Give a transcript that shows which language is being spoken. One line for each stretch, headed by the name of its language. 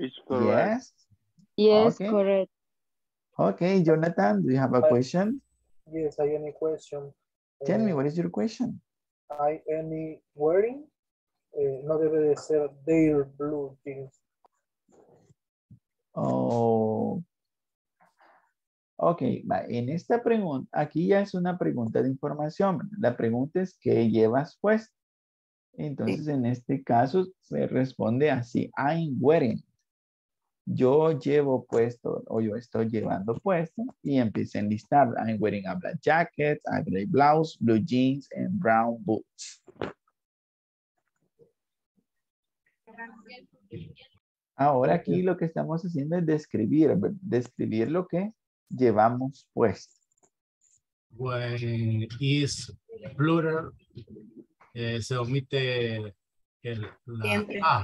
English: It's correct. Yes. Yes, okay. Correct. Okay, Jonathan, do you have a question? Yes, I have a question. Tell me, what is your question? I am wearing,
Spanish: no debe de ser
English: their blue jeans. Oh.
Spanish: Ok, en esta pregunta, aquí ya es una pregunta de información. La pregunta es, ¿qué llevas puesto? Entonces, en este caso, se responde así,
English: I'm wearing.
Spanish: Yo llevo puesto, o yo estoy llevando puesto, y empiezo a enlistar.
English: I'm wearing a black jacket, a gray blouse, blue jeans, and brown boots.
Spanish: Ahora aquí lo que estamos haciendo es describir, describir lo que llevamos puesto.
English: When is plural,
Spanish: se omite el la